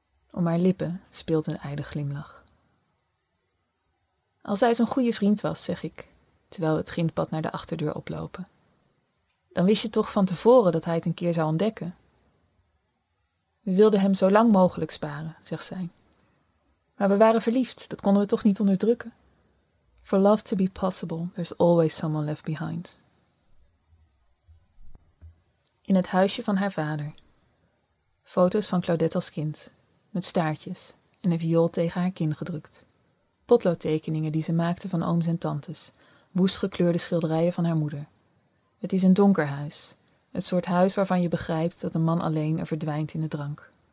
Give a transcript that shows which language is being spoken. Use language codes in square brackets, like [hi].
[nl] Om haar lippen speelt een ijdel glimlach. Als hij zo'n goede vriend was, zeg ik, terwijl we het grindpad naar de achterdeur oplopen. Dan wist je toch van tevoren dat hij het een keer zou ontdekken? We wilden hem zo lang mogelijk sparen, zegt zij. Maar we waren verliefd, dat konden we toch niet onderdrukken. [en] For love to be possible, there's always someone left behind. [nl] In het huisje van haar vader. Foto's van Claudette als kind, met staartjes en een viool tegen haar kin gedrukt. Potloodtekeningen die ze maakte van ooms en tantes, woest gekleurde schilderijen van haar moeder. Het is een donker huis, het soort huis waarvan je begrijpt dat een man alleen er verdwijnt in de drank.